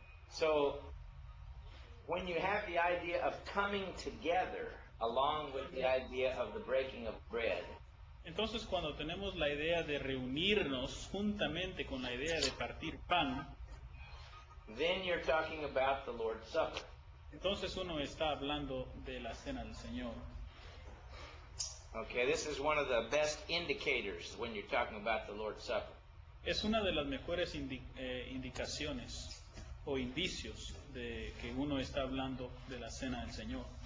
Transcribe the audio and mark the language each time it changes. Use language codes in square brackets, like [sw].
[en] So, when you have the idea of coming together along with the idea of the breaking of bread. [es] Entonces, cuando tenemos la idea de reunirnos juntamente con la idea de partir pan. [en] Then you're talking about the Lord's Supper. [es] Entonces, uno está hablando de la cena del Señor. [en] Okay, this is one of the best indicators when you're talking about the Lord's Supper. [es] Es una de las mejores indicaciones o indicios de que uno está hablando de la cena del Señor.